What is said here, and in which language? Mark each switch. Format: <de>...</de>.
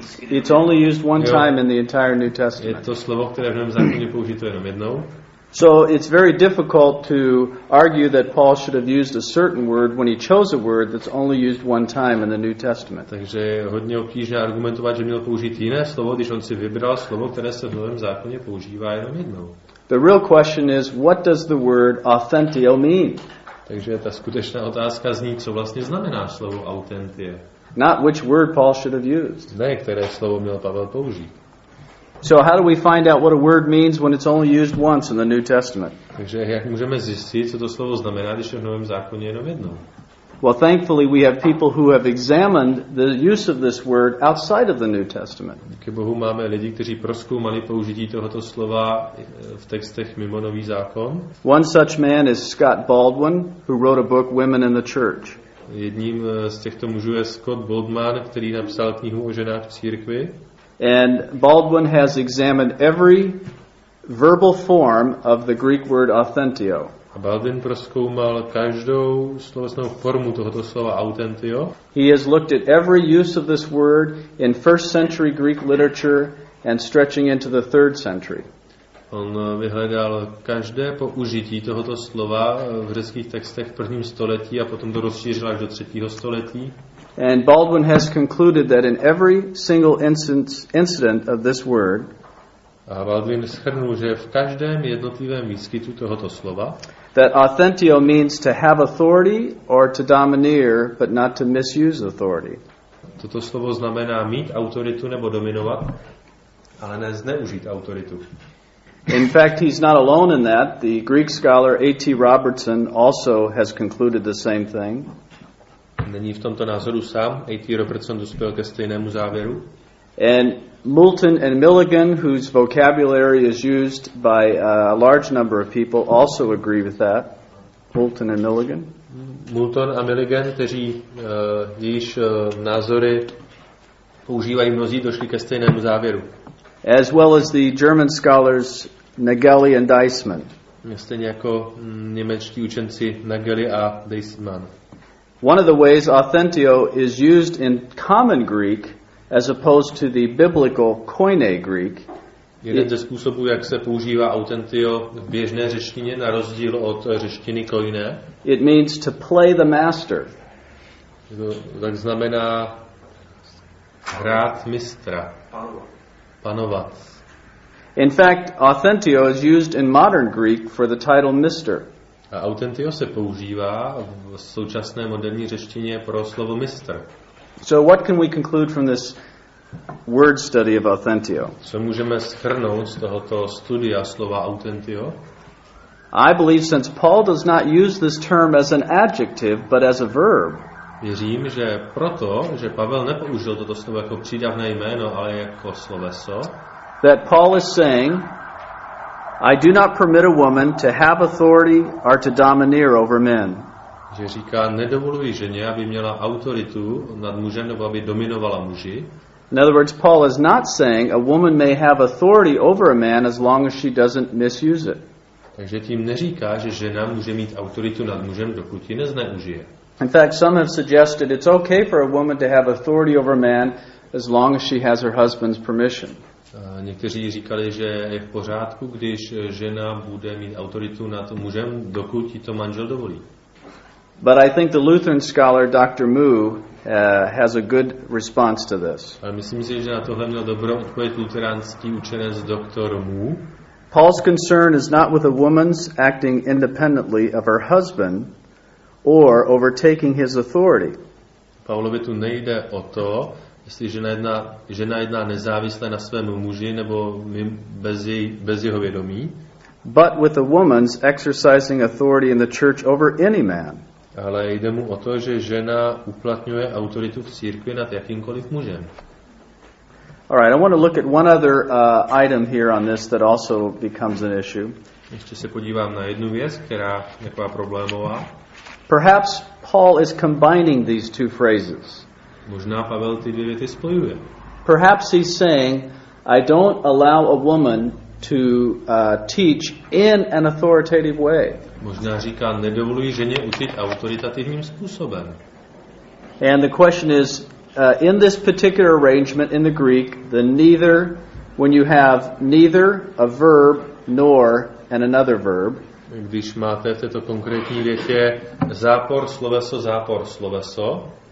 <en>It's only used one time in the entire New Testament.</en> <cs>Je to slovo, které v Novém zákoně použito jenom jednou.</cs> <en>So it's very difficult to argue that Paul should have used a certain word when he chose a word that's only used one time in the New Testament.</en> <cs>Takže hodně obtížné argumentovat, že měl použít jiné slovo, když on si vybral slovo, které se v Novém zákoně používá jenom jednou.</cs> <en>The real question is, what does the word authentio mean?</en> <cs>Takže ta skutečná otázka zní, co vlastně znamená slovo autentie.</cs> <en>Not which word Paul should have used.</en> <cs>Ne, které slovo měl Pavel použít.</cs> <en>So how do we find out what a word means when it's only used once in the New Testament?</en> <cs>Takže jak můžeme zjistit, co to slovo znamená, když je v Novém zákoně jenom jednou?</cs> <en>Well, thankfully we have people who have examined the use of this word outside of the New Testament.</en> <cs>Díky Bohu máme lidi, kteří prozkoumali použití tohoto slova v textech mimo Nový zákon.</cs> <en>One such man is Scott Baldwin, who wrote a book Women in the Church.</en> <cs>Jedním z těchto mužů je Scott Baldwin, který napsal knihu o ženách v církvi.</cs> <en>And Baldwin has examined every verbal form of the Greek word authentio.</en> <cs>A Baldwin prozkoumal každou slovesnou formu tohoto slova authentio.</cs> <en>He has looked at every use of this word in first century Greek literature and stretching into the third century.</en> <cs>On vyhledal každé použití tohoto slova v řeckých textech v prvním století a potom to rozšířil až do třetího století.</cs> <en>And Baldwin has concluded that in every single incident of this word,</en> <cs>a Baldwin shrnul, že v každém jednotlivém výskytu tohoto slova,</cs> <en>that authentio means to have authority or to domineer, but not to misuse authority.</en> <cs>Toto slovo znamená mít autoritu nebo dominovat, ale ne zneužít autoritu.</cs> <en>In fact, he's not alone in that. The Greek scholar A.T. Robertson also has concluded the same thing.</en> <cs>Není v tomto názoru sám. A.T. Robertson dospěl ke stejnému závěru.</cs> <en>And Moulton and Milligan, whose vocabulary is used by a large number of people, also agree with that. Moulton and Milligan.</en> <cs>Moulton a Milligan, kteří jejich názory používají mnozí, došli ke stejnému závěru.</cs> <en>As well as the German scholars Nageli and Deismann.</en> <cs>Stejně jako němečtí učenci Nageli a Deismann.</cs> <en>One of the ways authentio is used in common Greek as opposed to the biblical koine Greek.</en> <cs>Jeden ze způsobů, jak se používá authentio v běžné řečtině na rozdíl od řečtiny koine.</cs> <en>It means to play the master.</en> <cs>Tak znamená hrát mistra. Panovat.</cs> <en>In fact, authentio is used in modern Greek for the title mister.</en> <cs>A authentio se používá v současné moderní řečtině pro slovo mistr.</cs> <en>So what can we conclude from this word study of authentio?</en> <cs>Co můžeme shrnout z tohoto studia slova authentio?</cs> <en>I believe since Paul does not use this term as an adjective, but as a verb.</en> <cs>Věřím, že proto, že Pavel nepoužil toto slovo jako přídavné jméno, ale jako sloveso,</cs> <en>that Paul is saying, I do not permit a woman to have authority or to domineer over men.</en> <cs>Že říká, nedovoluji ženě, aby měla autoritu nad mužem, nebo aby dominovala muži.</cs> <en>In other words, Paul is not saying a woman may have authority over a man as long as she doesn't misuse it.</en> <cs>Takže tím neříká, že žena může mít autoritu nad mužem, dokud ji nezneužije.</cs> <en>In fact, some have suggested it's okay for a woman to have authority over a man as long as she has her husband's permission.</en> <cs>Někteří říkali, že je v pořádku, když žena bude mít autoritu nad mužem, dokud jí to manžel dovolí.</cs> <en>But I think the Lutheran scholar Dr. Moo has a good response to this.</en> <cs>Ale myslím si, že na tohle měl dobrou odpověď luteránský učenec Dr. Moo.</cs> <en>Paul's concern is not with a woman's acting independently of her husband or overtaking his authority.</en> <cs>Paulovi tu nejde o to, jestli žena jedná nezávisle na svém muži nebo bez jeho vědomí.</cs> <en>But with a woman's exercising authority in the church over any man.</en> <cs>Ale jde mu o to, že žena uplatňuje autoritu v církvi nad jakýmkoliv mužem.</cs> <en>All right, I want to look at one other item here on this that also becomes an issue.</en> <cs>Ještě se podívám na jednu věc, která je taková problémová.</cs> <en>Perhaps Paul is combining these two phrases.</en> <cs>Možná Pavel ty dvě věty spojuje.</cs> <en>Perhaps he's saying, I don't allow a woman to teach in an authoritative way.</en> <cs>Možná říká, nedovoluji ženě učit autoritativním způsobem.</cs> <en>And the question is, in this particular arrangement in the Greek, the neither, when you have neither a verb nor and another verb,</en> <cs>když máte v této konkrétní větě zápor sloveso, zápor sloveso,</cs>